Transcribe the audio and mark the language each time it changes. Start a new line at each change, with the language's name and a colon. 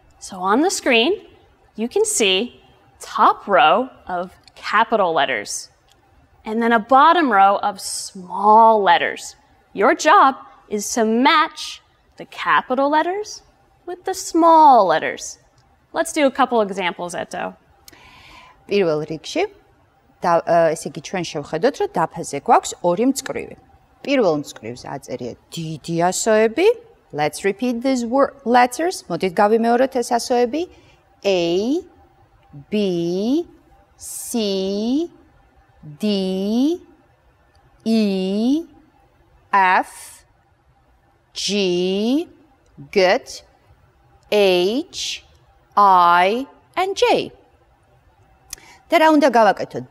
English: So on the screen, you can see top row of capital letters, and then a bottom row of small letters. Your job is to match the capital letters with the small letters. Let's do a couple examples, Eto.
Georgian: პირველ რიგში, ესე იგი ჩვენ შევხედოთ, რომ დაფაზე გვაქვს ორი მწკრივი. პირველ მწკრივს აწერია დიდი ასოები.
English: Let's repeat these letters.
Georgian: Მოდით გავიმეორეთ ეს ასოები.
English: A, B, C, D, E, F, G, G, H, I, and J.
Georgian: Და რა უნდა გავაკეთოთ?